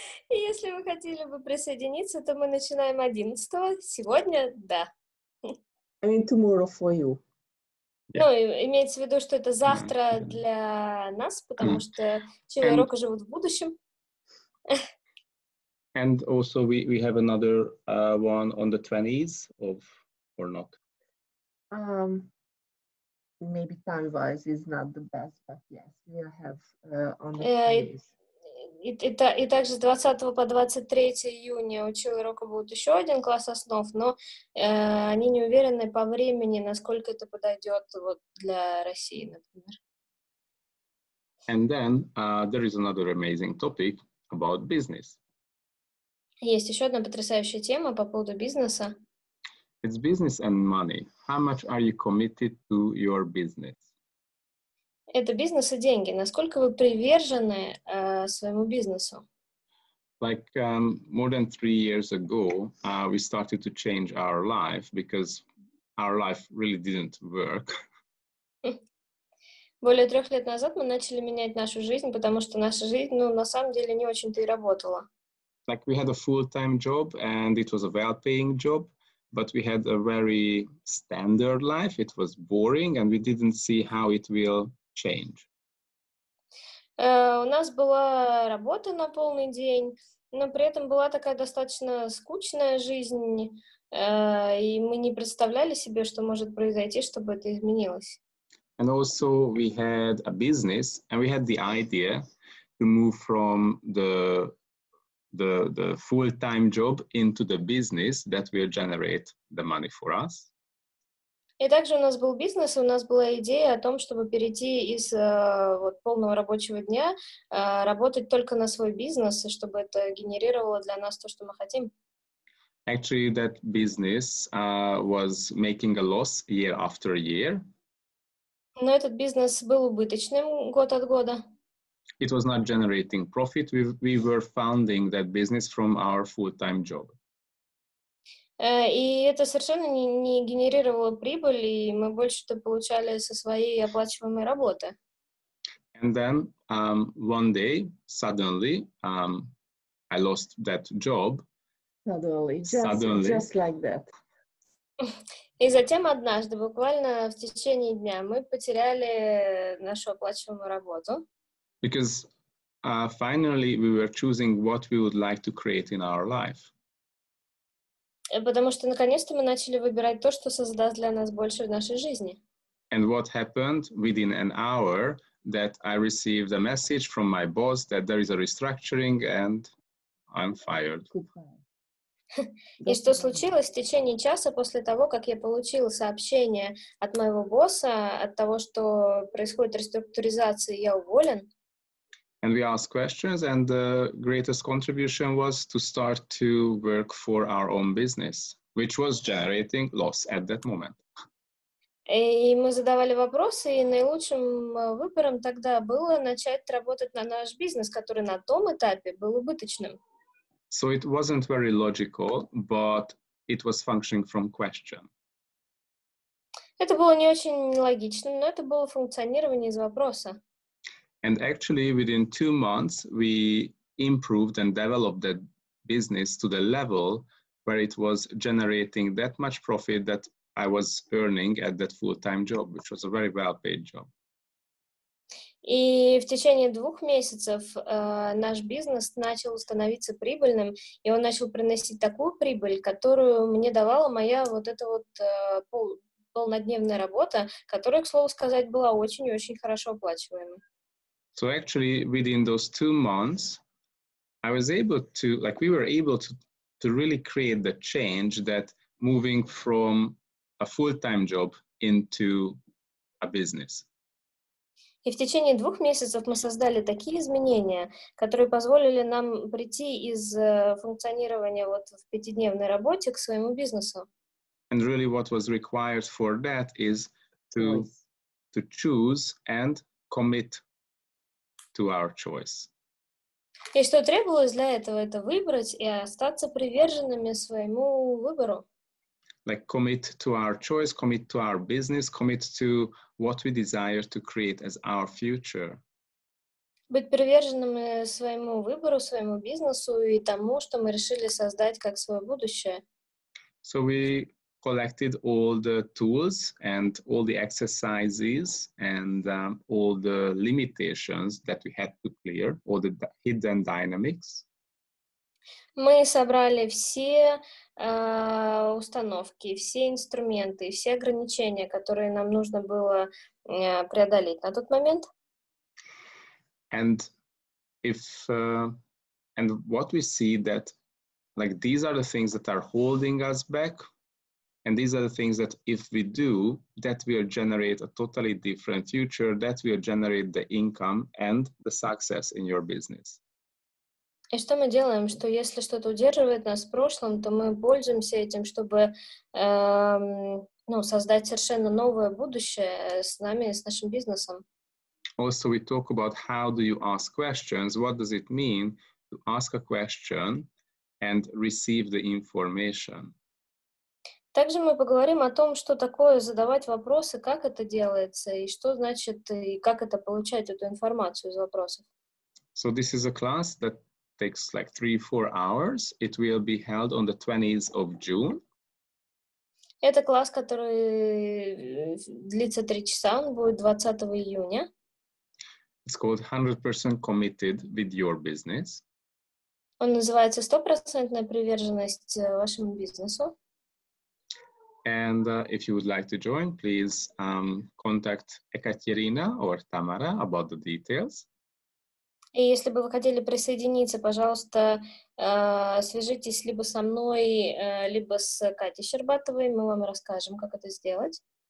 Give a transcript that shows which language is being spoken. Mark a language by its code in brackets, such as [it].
[ru] Если вы хотели бы присоединиться, то мы начинаем 11-го. Сегодня, да. [en] I mean tomorrow for you. Yeah. [ru] Ну, имеется в виду, что это завтра для нас, потому что члены Рока живут в будущем. [en] And also we have another one on the 20s of or not. Maybe time-wise is not the best, but yes, we have on the 20s. [ru] И также с 20 по 23 июня у Чилы Рока будет еще один класс основ, но они не уверены по времени, насколько это подойдет вот, для России, например. [en] And then there is another amazing topic about business. [ru] Есть еще одна потрясающая тема по поводу бизнеса. [en] It's business and money. How much are you committed to your business? [ru] Это бизнес и деньги. Насколько вы привержены своему бизнесу? [en] Like more than 3 years ago, we started to change our life because our life really didn't work. [ru] Более 3 лет назад мы начали менять нашу жизнь, потому что наша жизнь, ну, на самом деле, не очень-то и работала. [en] Like we had a full-time job and it was a well-paying job. But we had a very standard life. It was boring and we didn't see how it will change. [ru] У нас была работа на полный день, но при этом была такая достаточно скучная жизнь, и мы не представляли себе, что может произойти, чтобы это изменилось. [en] And also we had a business and we had the idea to move from the full-time job into the business that will generate the money for us. [ru] И также у нас был бизнес, и у нас была идея о том, чтобы перейти из вот, полного рабочего дня работать только на свой бизнес, и чтобы это генерировало для нас то, что мы хотим. [en] Actually, that business was making a loss year after year. [ru] Но этот бизнес был убыточным год от года. [en] It was not generating profit. We were founding that business from our full-time job. [ru] И это совершенно не генерировало прибыль, и мы больше-то получали со своей оплачиваемой работы. [en] And then, one day, suddenly, I lost that job. Suddenly, just like that. [ru] И затем однажды, буквально в течение дня, мы потеряли нашу оплачиваемую работу. [en] Because finally, we were choosing what we would like to create in our life. [ru] Потому что наконец-то мы начали выбирать то, что создаст для нас больше в нашей жизни. [en] And what happened within an hour that I received a message from my boss that there is a restructuring and I'm fired. [ru] И что случилось в течение часа после того, как я получил сообщение от моего босса, от того, что происходит реструктуризация, я уволен? [en] And we asked questions, and the greatest contribution was to start to work for our own business, which was generating loss at that moment. [ru] И мы задавали вопросы, и наилучшим выбором тогда было начать работать на наш бизнес, который на том этапе был убыточным. [en] So it wasn't very logical, but it was functioning from question. [ru] Это было не очень логично, но это было функционирование из вопроса. [en] And actually, within 2 months, we improved and developed that business to the level where it was generating that much profit that I was earning at that full-time job, which was a very well-paid job. [ru] И в течение двух месяцев наш бизнес начал становиться прибыльным, и он начал приносить такую прибыль, которую мне давала моя вот эта вот полнодневная работа, которая, к слову сказать, была очень и очень хорошо оплачиваема. [en] So actually, within those two months, I was able to, like, we were able to really create the change that moving from a full-time job into a business. [ru] И в течение двух месяцев мы создали такие изменения, которые позволили нам прийти из функционирования вот в пятидневной работе к своему бизнесу. [en] And really what was required for that is to choose and commit to our choice. [ru] И что требовалось для этого, это выбрать и остаться приверженными своему выбору. [en] Like commit to our choice, commit to our business, commit to what we desire to create as our future. [ru] Быть приверженными своему выбору, своему бизнесу и тому, что мы решили создать как свое будущее. [en] So we collected all the tools and all the exercises and all the limitations that we had to clear, all the hidden dynamics. [ru] Мы собрали все установки, все инструменты, все ограничения, которые нам нужно было преодолеть на тот момент. [en] And if and what we see that like these are the things that are holding us back, and these are the things that if we do, that will generate a totally different future, that will generate the income and the success in your business. [ru] И что мы делаем? Что если что-то удерживает нас в прошлом, то мы пользуемся этим, чтобы создать совершенно новое будущее с нами, с нашим бизнесом. [en] Also, we talk about how do you ask questions? What does it mean to ask a question and receive the information? [ru] Также мы поговорим о том, что такое задавать вопросы, как это делается, и что значит, и как это получать эту информацию из вопросов. [en] So this is a class that takes like 3-4 hours. It will be held on the 20th of June. [ru] Это класс, который длится 3 часа, он будет 20 июня. [en] It's called 100% Committed with Your Business. [ru] Он называется 100% приверженность вашему бизнесу. [en] And if you would like to join, please contact Екатерина or Tamara about the details. [ru] И если бы вы хотели присоединиться, пожалуйста, свяжитесь либо со мной, либо с Катей Щербатовой, мы вам расскажем, как это сделать.